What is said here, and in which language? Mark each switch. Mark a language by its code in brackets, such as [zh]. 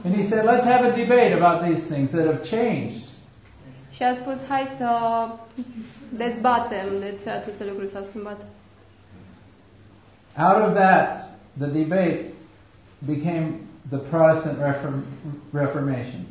[en] And he said, let's have a debate about these things that have changed. [ro] Și a spus, hai să dezbatem de ce aceste lucruri s-au schimbat. [en] Out of that, the debate became the Protestant Reformation.